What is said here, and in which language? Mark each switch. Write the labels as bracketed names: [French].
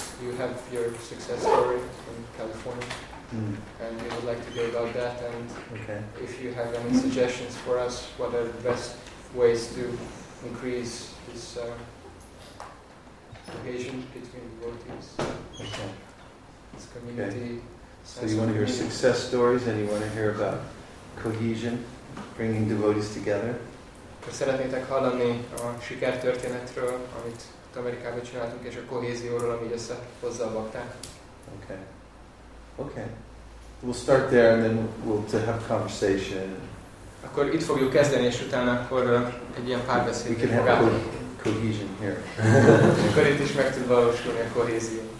[English] You have your success story in California, and we would like to hear about that, and if you have any suggestions for us, what are the best ways to increase this cohesion between devotees? So you want to hear success stories, and you want to hear about cohesion, bringing devotees together. [Hungarian] Szeretnétek hallani a sikertörténetről, amit Amerikában csináltunk, és a kohézióról, ami összehozza a bakták. [English] Okay. We'll start there, and then we'll have conversation. [Hungarian] Akkor itt fogjuk kezdeni, és utána akkor egy ilyen párbeszéd. [English] We can have cohesion here. [Hungarian] Akkor itt is meg tud valósulni a kohézió.